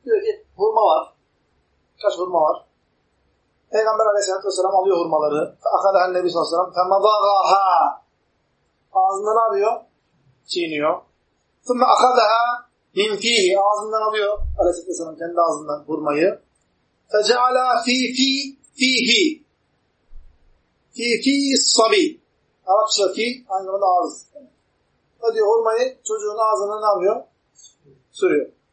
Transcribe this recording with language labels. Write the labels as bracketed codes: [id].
[tr] Diyor ki hurma var. Kaç hurma var? Peygamber Aleyhisselatü Vesselam alıyor hurmaları. [ar] أخذها النبي صلى الله عليه وسلم فمضغها. [tr] Ağzından alıyor, çiğniyor. [ar] ثم أخذها من فيه. [tr] Ağzından alıyor Aleyhisselatü Vesselam kendi ağzından hurmayı. [ar] فجعل في في فيه. Fî-fî-sabî. [tr] Arapça fî, aynı zamanda ağız. O diyor hurmayı çocuğun ağzına ne yapıyor? Sürüyor.